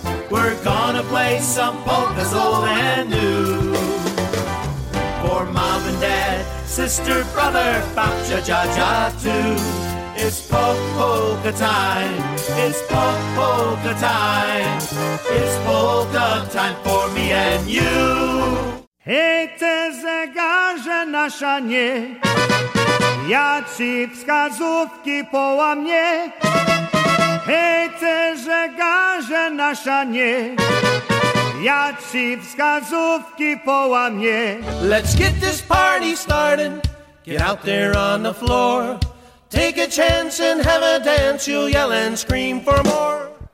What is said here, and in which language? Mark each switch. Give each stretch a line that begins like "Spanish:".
English: We're gonna play some polkas old and new. For mom and dad, sister, brother, ba-cha-cha-cha too. It's polka time, it's polka time. It's polka time for me and you.
Polish: Hey, ty zegarze nasza nie, ja ci wskazówki połamie. Hej, ty zegarze nasza nie, ja ci wskazówki połamie.
English: Let's get this party started, get out there on the floor. Take a chance and have a dance, you'll yell and scream for more.